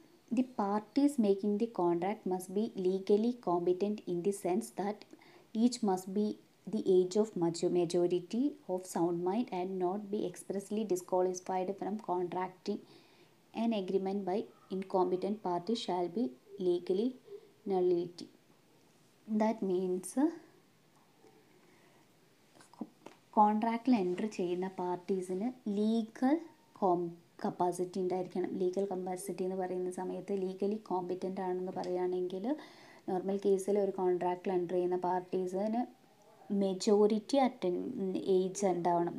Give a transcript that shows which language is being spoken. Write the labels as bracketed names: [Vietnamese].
[English] The parties making the contract must be legally competent in the sense that each must be the age of majority of sound mind and not be expressly disqualified from contracting an agreement by incompetent party shall be legally nullity. That means [Malayalam] കോൺട്രാക്ടിൽ enter ചെയ്യുന്ന പാർട്ടീസിന് legal capacity ഉണ്ടായിരിക്കണം. Legal capacity എന്ന് പറയുന്ന സമയത്ത് legally competent ആണെന്ന് പറയുകയാണെങ്കിൽ, normal കേസിൽ ഒരു കോൺട്രാക്ടിൽ enter ചെയ്യുന്ന പാർട്ടീസിന് മെജോറിറ്റി അറ്റൻ ഏജ് ഉണ്ടാവണം.